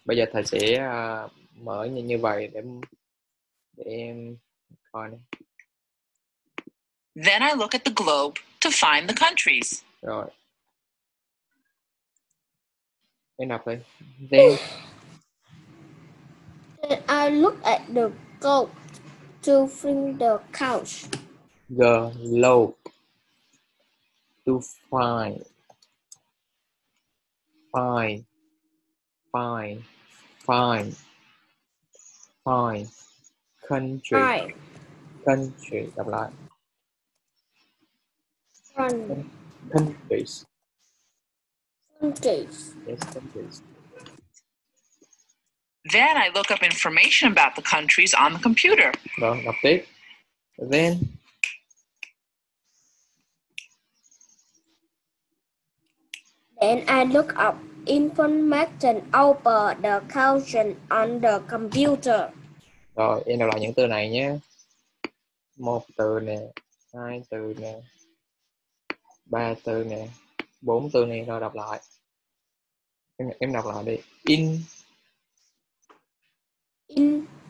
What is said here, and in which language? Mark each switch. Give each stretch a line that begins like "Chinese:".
Vietnamese: Bây giờ thầy sẽ mở như vậy để em coi này.
English: Then I look at the globe to find the countries.
Vietnamese: Rồi. Em đọc đi.
English: Then. Then I look at the globe to find the couch. The globe to find. Fine, fine, fine, fine, country, fine. Country,
Vietnamese: đọc lại.
English: Fine. Countries. Countries. Yes, countries. Then I look up information about the countries on the computer.
Vietnamese: Rồi, đọc tiếp.
English: Then. Then I look up information over the caution on the computer.
Vietnamese: Rồi, em đọc lại những từ này nhé. Một từ nè, hai từ nè, ba từ nè, bốn từ nè, rồi đọc lại. Em đọc lại đi.
English: In. In.